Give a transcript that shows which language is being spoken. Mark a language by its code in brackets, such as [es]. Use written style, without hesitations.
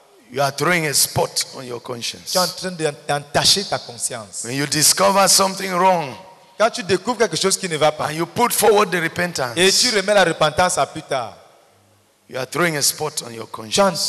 [en] you are throwing a spot on your conscience. [fr] Tu es en train d'entacher ta conscience. [en] When you discover something wrong, [fr] quand tu découvres quelque chose qui ne va pas, [en] and you put forward the repentance, [fr] et tu remets la repentance à plus tard, [en] you are throwing a spot on your conscience.